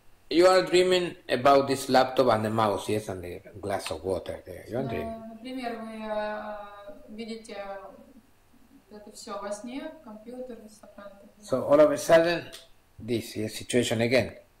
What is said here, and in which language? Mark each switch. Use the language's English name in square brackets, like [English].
[English] You are dreaming about this laptop and the mouse, yes, and the glass of water there. You are dreaming. [Russian] Например, вы видите это все во сне, компьютер, ресторан. [English] So all of a sudden, this is situation again.